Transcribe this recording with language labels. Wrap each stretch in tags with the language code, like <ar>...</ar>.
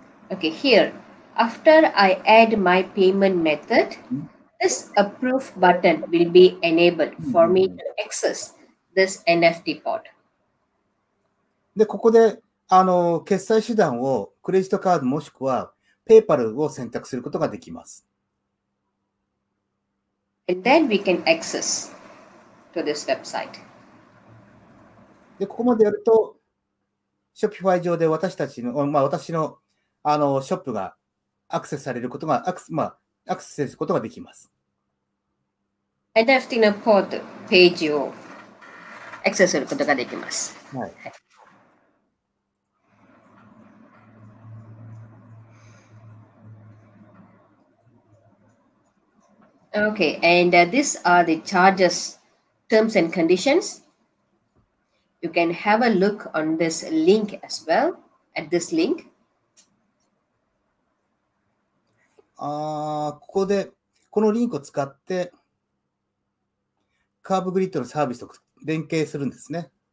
<en>Okay, here, after I add my payment method,This approve button will be enabled for me to access this NFT pod.</en> <ja>で、ここで、決済手段をクレジットカードもしくはペイパルを選択することができます。</ja> <en>And then we can access to this website.</en> <ja>で、ここまでやると、Shopify 上で私たちの、まあ、私の、ショップがアクセスされることが、まあ、アクセスすることができます。 NFT のポートページをアクセスすることができます。はい。</ja> <en>Okay, and these are the charges, terms and conditions. You can have a look on this link as well, at this link.</en> <ja>ここで、このリンクを使って、カーブグリッドのサービスと連携するんですね。</ja>